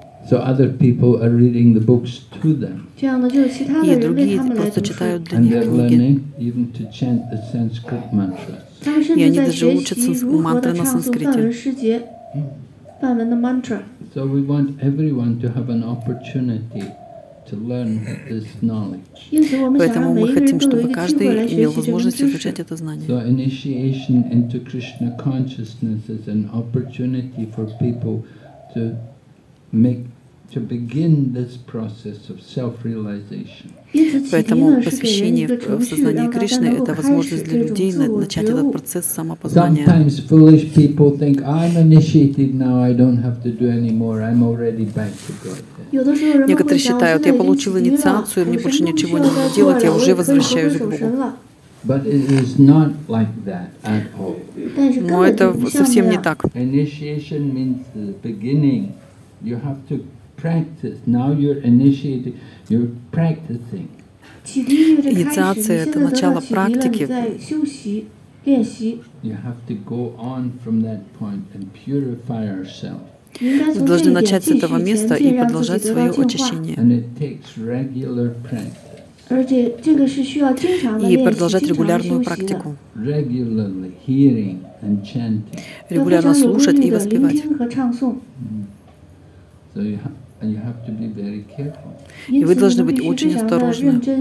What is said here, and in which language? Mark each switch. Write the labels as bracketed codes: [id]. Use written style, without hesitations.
[en] So other people are reading the books to them. [ru] И другие просто читают для них книги. [en] And they're learning even to chant the Sanskrit mantra. [ru] И они даже учат мантры на санскрите. [en] So we want everyone to have an opportunity to learn this knowledge. [ru] Поэтому мы хотим, чтобы каждый имел возможность изучать это знание. [en] So initiation into Krishna consciousness is an opportunity for people to make to begin this process of self-realization. [ru] Поэтому посвящение в сознание Кришны — это возможность для людей начать этот процесс самопознания. [en] Sometimes foolish people think, I'm initiated now, I don't have to do anymore, I'm already back to Godhead. [ru] Некоторые считают, я получил инициацию, мне больше ничего не надо делать, я уже возвращаюсь к Богу. [en] But it is not like that at all. [ru] Но это совсем не так. [en] Initiation means the beginning. You have to practice. Now you're initiated. You're practicing. [ru] Инициация — это начало практики. [en] You have to go on from that point and purify ourselves. [ru] Вы должны начать с этого места и продолжать свое очищение. [en] And it takes regular practice. [ru] И продолжать регулярную практику. [en] Regularly hearing and chanting. [ru] Регулярно слушать и воспевать. [en] So you have, and you have to be very careful. [ru] И вы должны быть очень осторожны.